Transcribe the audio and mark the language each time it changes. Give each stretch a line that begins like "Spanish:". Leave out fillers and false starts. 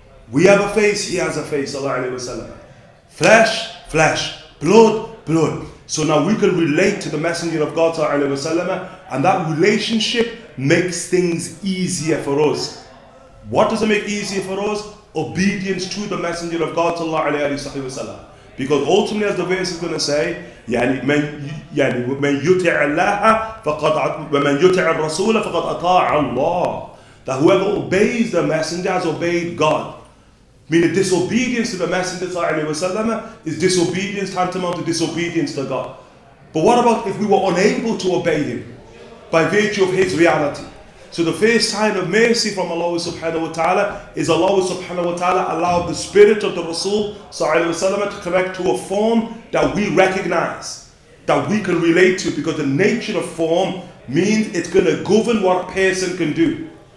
English: We have a face, he has a face, sallallahu alayhi wa sallam. Flesh, flesh. Blood, blood. So now we can relate to the Messenger of God, sallallahu alayhi wa sallam, and that relationship makes things easier for us. What does it make easier for us? Obedience to the Messenger of God, sallallahu alayhi wa sallam. Because ultimately, as the verse is going to say,
Arabic: يعني من يطع الله فقد ومن يطع الرسول فقد أطاع الله.
English: That whoever obeys the messenger has obeyed God. Meaning disobedience to the messenger
Arabic: صلى الله عليه وسلم
English: is disobedience tantamount to disobedience to God. But what about if we were unable to obey him by virtue of his reality? So the first sign of mercy from Allah subhanahu wa ta'ala is Allah subhanahu wa ta'ala allowed the spirit of the Rasul sallallahu alayhi wa sallam to connect to a form that we recognize, that we can relate to, because the nature of form means it's going to govern what a person can do.